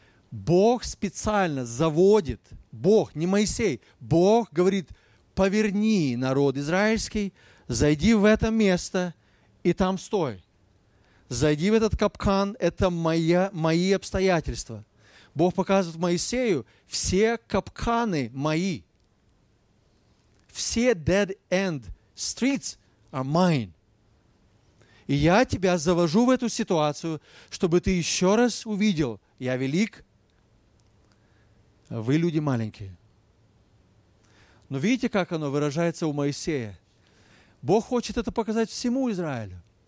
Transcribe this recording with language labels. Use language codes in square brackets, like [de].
[ru] Бог специально заводит, Бог, не Моисей, Бог говорит, поверни народ израильский, зайди в это место и там стой. Зайди в этот капкан, это мои обстоятельства. Бог показывает Моисею, все капканы мои. Все [en] dead end streets are mine. [ru] И я тебя завожу в эту ситуацию, чтобы ты еще раз увидел, я велик, а вы люди маленькие. Но видите, как оно выражается у Моисея? Бог хочет это показать всему Израилю.